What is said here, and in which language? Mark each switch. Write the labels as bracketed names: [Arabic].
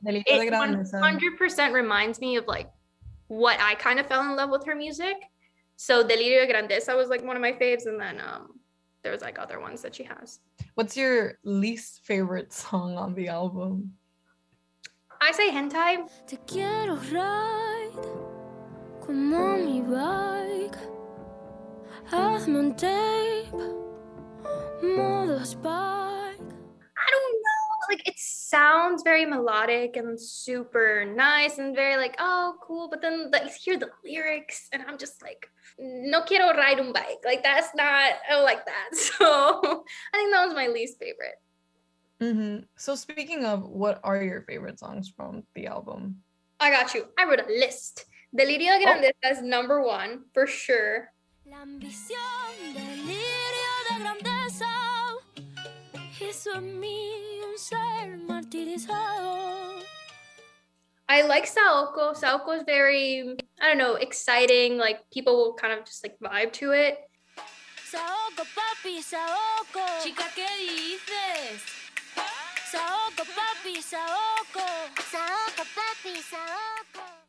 [English] It 100% reminds me of like what I kind of fell in love with her music. So Delirio de Grandeza was like one of my faves, and then there's like other ones that she has. What's your least favorite song on the album? I say Hentai. [Spanish] Te quiero ride como mi bike. Hazme un tape, modo spike. [English] I don't know, like it sounds very melodic and super nice and very like, oh cool, but then like hear the lyrics and I'm just like, [Spanish] no quiero ride un bike. [English] Like, that's not, I don't like that. So I think that was my least favorite. Mm-hmm. So speaking of, what are your favorite songs from the album? I got you. I wrote a list. Delirio de Grandeza is number one, for sure. [Spanish] La ambición, delirio de grandeza, hizo a mí un ser martirizado. [English] I like Saoko. Saoko is very, I don't know, exciting. Like people will kind of just like vibe to it. [Spanish] Saoko, papi, Saoko. Chica, ¿qué dices? Saoko, papi, Saoko. Saoko, papi, Saoko.